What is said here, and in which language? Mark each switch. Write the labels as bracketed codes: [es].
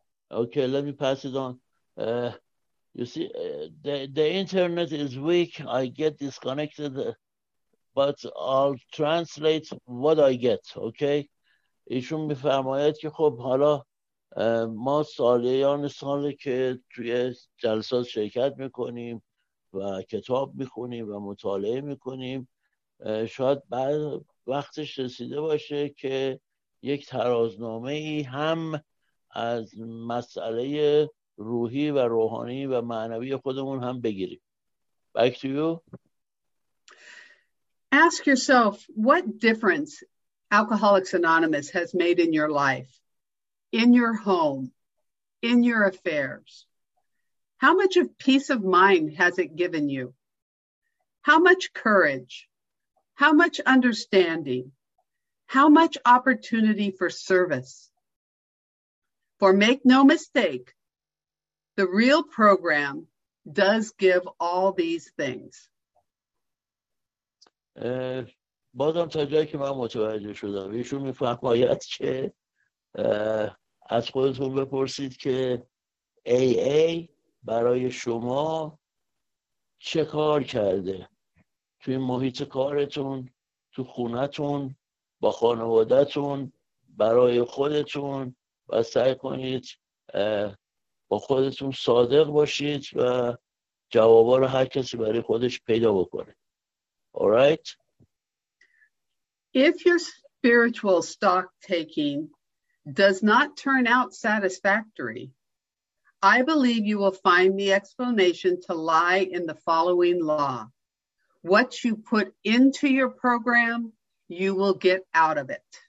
[en] Okay, let me pass it on. You see, the internet is weak. I get disconnected, but I'll translate what I get, okay? [fa] ایشون می فرماید که خب حالا ما سالیان سالی که توی جلسات شرکت میکنیم و کتاب میخونیم و مطالعه میکنیم، شاید بعد وقتش رسیده باشه که یک ترازنامه ای هم از مسئله روحی و روحانی و معنوی خودمون هم بگیریم. [en] Back to you. Ask yourself what difference Alcoholics Anonymous has made in your life, in your home, in your affairs. How much of peace of mind has it given you? How much courage? How much understanding? How much opportunity for service? For make no mistake, the real program does give all these things. [fa] بازم تا جایی که من متوجه شدم ایشون می فرماید که از خودتون بپرسید که AA برای شما چه کار کرده توی محیط کارتون، تو خونتون، با خانوادتون، برای خودتون، و سعی کنید با خودتون صادق باشید و جوابا رو هر کسی برای خودش پیدا بکنه. [en] All right? If your spiritual stock taking does not turn out satisfactory, I believe you will find the explanation to lie in the following law. What you put into your program, you will get out of it.